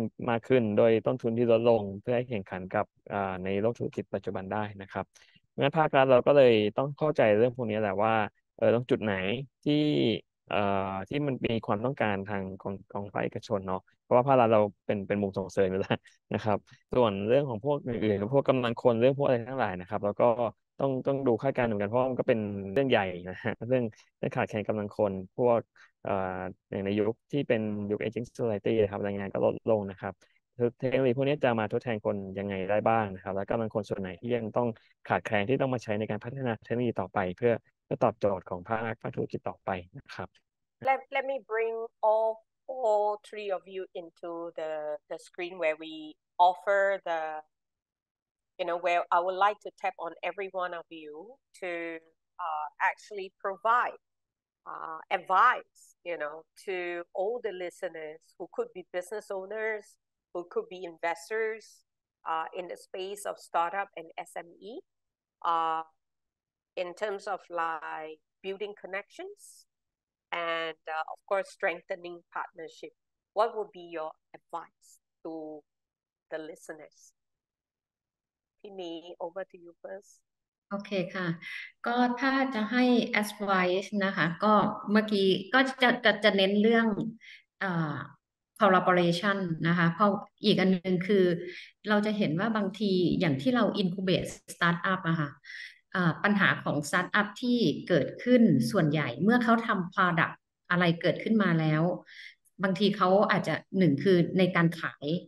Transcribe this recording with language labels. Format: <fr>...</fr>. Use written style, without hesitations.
<th>มากขึ้นโดยต้นทุนที่ลดลงเพื่อให้แข่งขันกับในโลกธุรกิจปัจจุบันได้นะครับงั้นภาครัฐเราก็เลยต้องเข้าใจเรื่องพวกนี้แหละว่าตรงจุดไหนที่มันมีความต้องการทางของภาคเอกชนเนาะเพราะว่าภาครัฐเราเป็นมุมส่งเสริมอยู่แล้วนะครับส่วนเรื่องของพวกอื่นพวกกําลังคนเรื่องพวกอะไรทั้งหลายนะครับเราก็ต้องดูคาดการณ์เหมือนกันเพราะมันก็เป็นเรื่องใหญ่นะฮะเรื่องขาดแคลนกําลังคนพวก อย่างในยุคที่เป็นยุค aging society นะครับแรงงานก็ลดลงนะครับเทคโนโลยีพวกนี้จะมาทดแทนคนยังไงได้บ้างนะครับแล้วกำลังคนส่วนไหนที่ยังต้องขาดแคลนที่ต้องมาใช้ในการพัฒนาเทคโนโลยีต่อไปเพื่อตอบโจทย์ของภาคธุรกิจต่อไปนะครับ</th> <en>Let me bring all three of you into the screen where we offer the, you know, where I would like to tap on every one of you to actually provide advice, you know, to all the listeners who could be business owners, who could be investors in the space of startup and SME, in terms of like building connections. And of course, strengthening partnership. What would be your advice to the listeners? Pimi, over to you first.</en> <th>โอเคค่ะก็ถ้าจะให้ advice นะคะก็เมื่อกี้ก็จะเน้นเรื่องcollaboration นะคะเพราะอีกอันนึงคือเราจะเห็นว่าบางทีอย่างที่เรา incubate startup อะค่ะปัญหาของสตาร์ทอัพที่เกิดขึ้นส่วนใหญ่เมื่อเขาทำ product อะไรเกิดขึ้นมาแล้วบางทีเขาอาจจะหนึ่งคือในการขาย</th>